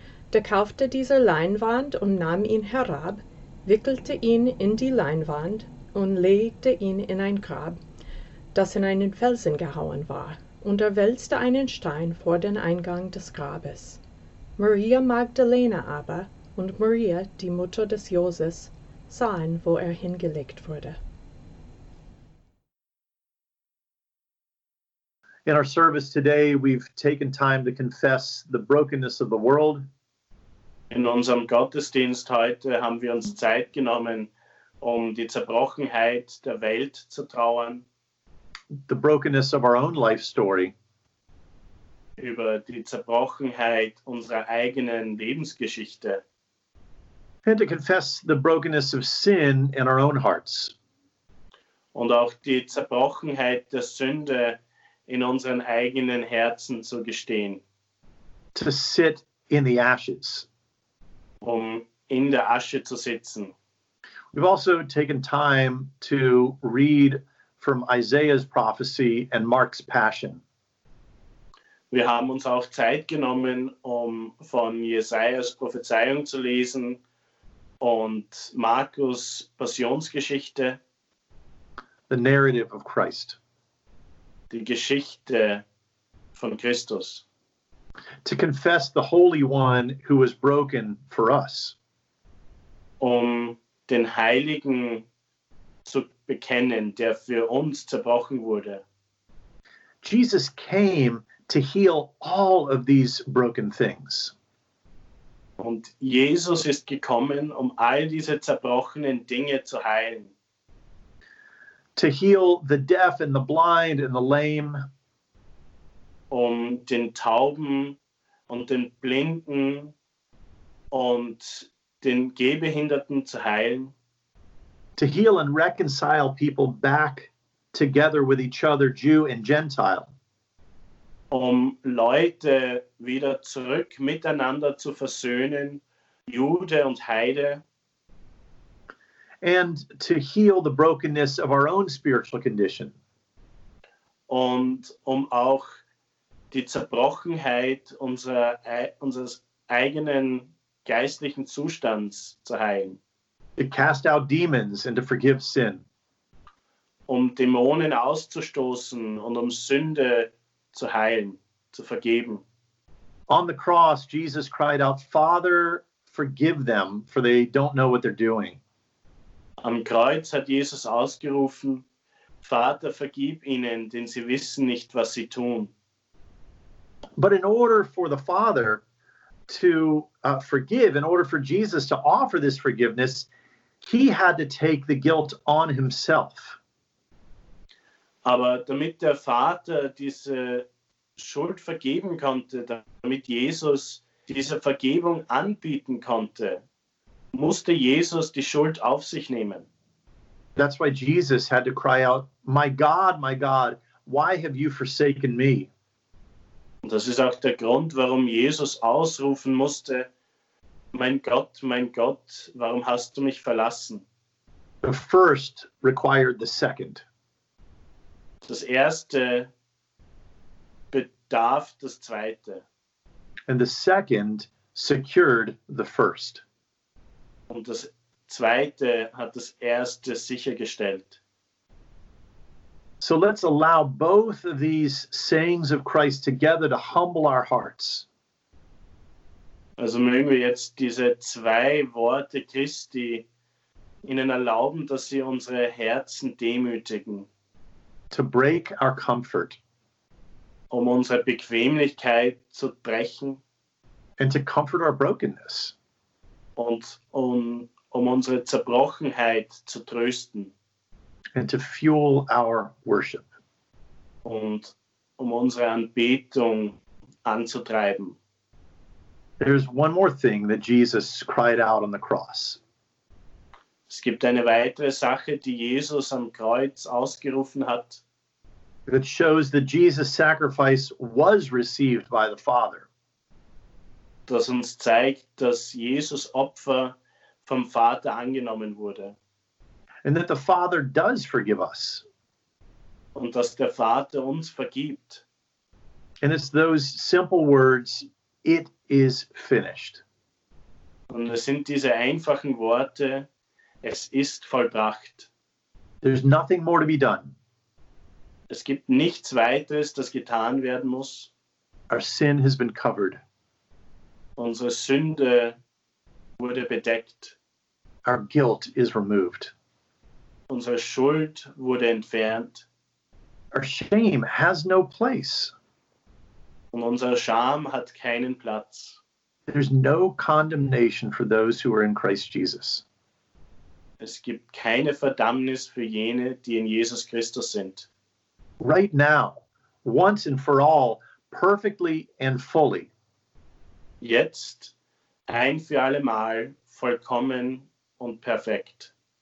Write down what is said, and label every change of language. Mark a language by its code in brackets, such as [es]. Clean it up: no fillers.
[de] Da kaufte dieser Leinwand und nahm ihn herab, wickelte ihn in die Leinwand und legte ihn in ein Grab, das in einen Felsen gehauen war. Und er wälzte einen Stein vor den Eingang des Grabes. Maria Magdalena aber und Maria, die Mutter des Joses, sahen, wo er hingelegt wurde. [en] In our service today, we've taken time to confess the brokenness of the world. [de] In unserem Gottesdienst heute haben wir uns Zeit genommen, um die Zerbrochenheit der Welt zu trauern. [en] The brokenness of our own life story. [de] Über die Zerbrochenheit unserer eigenen Lebensgeschichte. [en] And to confess the brokenness of sin in our own hearts. [de] Und auch die Zerbrochenheit der Sünde in unseren eigenen Herzen zu gestehen. [en] To sit in the ashes. [de] Um in der Asche zu sitzen. [en] We've also taken time to read from Isaiah's prophecy and Mark's passion. [de] Wir haben uns auch Zeit genommen, um von Jesajas Prophezeiung zu lesen und Markus Passionsgeschichte. [en] The narrative of Christ. [de] Die Geschichte von Christus. [en] To confess the Holy One who was broken for us. [de] Um den Heiligen zu bekennen, der für uns zerbrochen wurde. [en] Jesus came to heal all of these broken things. [de] Und Jesus ist gekommen, um all diese zerbrochenen Dinge zu heilen. [en] To heal the deaf and the blind and the lame. [de] Um den Tauben und den Blinden und den Gehbehinderten zu heilen. [en] To heal and reconcile people back together with each other, Jew and Gentile. [de] Um Leute wieder zurück miteinander zu versöhnen, Jude und Heide. [en] And to heal the brokenness of our own spiritual condition. [de] Und um auch die Zerbrochenheit unseres eigenen geistlichen Zustands zu heilen. [en] To cast out demons and to forgive sin. [de] Um Dämonen auszustoßen und um Sünde zu heilen, zu vergeben. [en] On the cross, Jesus cried out, "Father, forgive them, for they don't know what they're doing." [de] Am Kreuz hat Jesus ausgerufen, Vater, vergib ihnen, denn sie wissen nicht, was sie tun. [en] But in order for the Father to forgive, in order for Jesus to offer this forgiveness, he had to take the guilt on himself. [de] Aber damit der Vater diese Schuld vergeben konnte, damit Jesus diese Vergebung anbieten konnte, musste Jesus die Schuld auf sich nehmen. [en] That's why Jesus had to cry out, my God, why have you forsaken me? [de] Und das ist auch der Grund, warum Jesus ausrufen musste, mein Gott, warum hast du mich verlassen? [en] The first required the second. [de] Das erste bedarf das zweite. [en] And the second secured the first. [de] Und das Zweite hat das Erste sichergestellt. [en] So let's allow both of these sayings of Christ together to humble our hearts. [de] Also mögen wir jetzt diese zwei Worte Christi ihnen erlauben, dass sie unsere Herzen demütigen. [en] To break our comfort. [de] Um unsere Bequemlichkeit zu brechen. [en] And to comfort our brokenness. [de] Und um unsere Zerbrochenheit zu trösten. [en] And to fuel our worship. [de] Und um unsere Anbetung anzutreiben. [en] There's one more thing that Jesus cried out on the cross. [de] Es gibt eine weitere Sache, die Jesus am Kreuz ausgerufen hat. [en] It shows that Jesus' sacrifice was received by the Father. [de] Das uns zeigt, dass Jesus Opfer vom Vater angenommen wurde. [en] And that the Father does forgive us. [de] Und dass der Vater uns vergibt. [en] And it's those simple words, it is finished. [de] Und es sind diese einfachen Worte, es ist vollbracht. [en] There's nothing more to be done. [de] Es gibt nichts weiteres, das getan werden muss. [en] Our sin has been covered. [de] Unsere Sünde wurde bedeckt. [en] Our guilt is removed. [de] Unsere Schuld wurde entfernt. [en] Our shame has no place. [de] Und unser Scham hat keinen Platz. [en] There's no condemnation for those who are in Christ Jesus. [de] Es gibt keine Verdammnis für jene, die in Jesus Christus sind. [en] Right now, once and for all, perfectly and fully. [de] Jetzt, ein für alle Mal, vollkommen und perfekt.